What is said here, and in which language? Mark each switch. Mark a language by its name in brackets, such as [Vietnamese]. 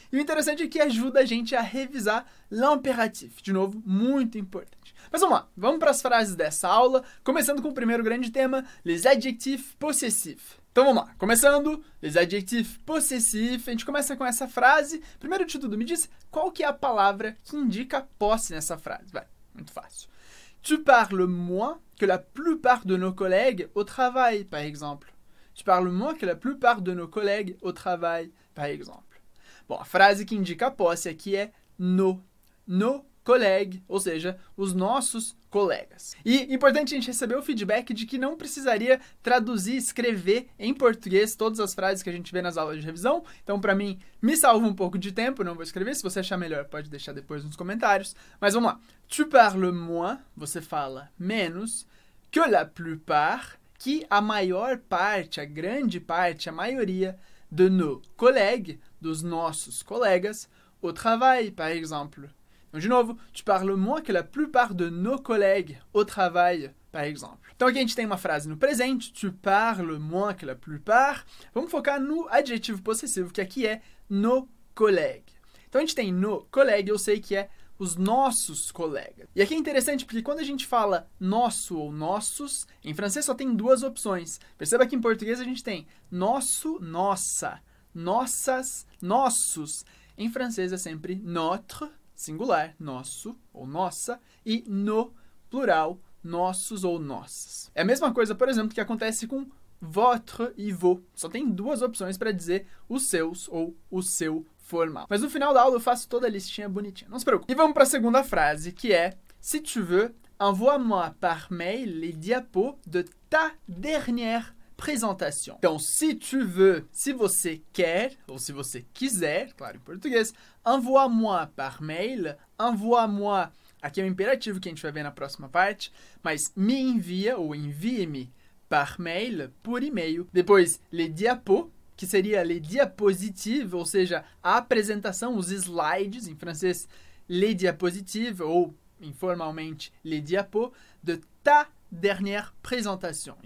[Portuguese] E o interessante é que ajuda a gente a revisar l'impératif, de novo, muito importante. Mas vamos lá, vamos para as frases dessa aula, começando com o primeiro grande tema: les adjectifs possessifs. Então vamos lá, começando, les adjectifs possessifs, a gente começa com essa frase. Primeiro de tudo, me diz qual que é a palavra que indica posse nessa frase. Vai, muito fácil. [French] Tu parles moins que la plupart de nos collègues au travail, par exemple. Tu parles moins que la plupart de nos collègues au travail, par exemple. [Portuguese] Bom, a frase que indica a posse aqui é [French] nos collègues, [Portuguese] ou seja, os nossos colegas. E importante a gente receber o feedback de que não precisaria traduzir, escrever em português todas as frases que a gente vê nas aulas de revisão. Então, para mim, me salva um pouco de tempo, não vou escrever. Se você achar melhor, pode deixar depois nos comentários. Mas vamos lá. [French] Tu parles moins, [Portuguese] você fala menos, [French] que la plupart, [Portuguese] que a maior parte, a grande parte, a maioria, [French] de nos collègues, [Portuguese] dos nossos colegas, [French] au travail, par exemple. [Portuguese] Então, de novo, [French] tu parles moins que la plupart de nos collègues au travail, par exemple. [Portuguese] Então, aqui a gente tem uma frase no presente, [French] tu parles moins que la plupart. [Portuguese] Vamos focar no adjetivo possessivo, que aqui é [French] nos collègues. [Portuguese] Então, a gente tem [French] nos collègues, [Portuguese] eu sei que é os nossos colegas. E aqui é interessante porque quando a gente fala nosso ou nossos, em francês só tem duas opções. Perceba que em português a gente tem nosso, nossa, nossas, nossos. Em francês é sempre notre, singular, nosso ou nossa, e no, plural, nossos ou nossas. É a mesma coisa, por exemplo, que acontece com votre e vos. Só tem duas opções para dizer os seus ou o seu formal. Mas no final da aula eu faço toda a listinha bonitinha, não se preocupe. E vamos para a segunda frase, que é: [French] si tu veux, envoie-moi par mail les diapos de ta dernière présentation. [Portuguese] Então, [French] si tu veux, [Portuguese] se você quer, ou se você quiser, claro, em português, [French] envoie-moi par mail, envoie-moi, [Portuguese] aqui é o imperativo que a gente vai ver na próxima parte, mas me envia, ou envie-me, [French] par mail, [Portuguese] por e-mail. Depois, les diapos, que seria [French] les diapositives, [Portuguese] ou seja, a apresentação, os slides, em francês, les diapositives, ou, informalmente, [French] les diapos, de ta dernière présentation.